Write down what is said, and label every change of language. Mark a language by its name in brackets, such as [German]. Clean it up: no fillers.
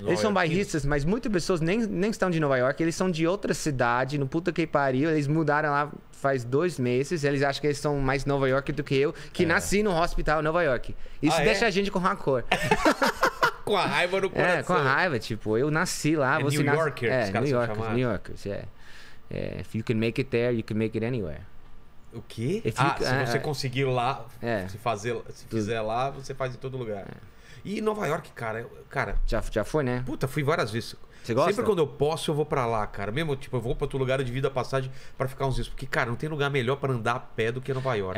[Portuguese] Eles são bairristas, mas muitas pessoas nem estão de Nova York, eles são de outra cidade, no puta que pariu, eles mudaram lá faz 2 meses, eles acham que eles são mais Nova York do que eu, que nasci no hospital Nova York. Isso deixa a gente com rancor. Com a raiva no coração. É, com a raiva, tipo, eu nasci lá. É você [English] New Yorkers, [Portuguese] os caras [English] New Yorkers, New Yorkers, if you can make it there, you can make it anywhere. [Portuguese] O quê? Se você conseguir lá, se fizer lá, você faz em todo lugar. É. E Nova York, cara... Já foi, né? Puta, fui várias vezes. Você gosta? Sempre quando eu posso, eu vou pra lá, cara. Mesmo, tipo, eu vou pra outro lugar, eu divido a passagem pra ficar uns dias. Porque, cara, não tem lugar melhor pra andar a pé do que Nova York.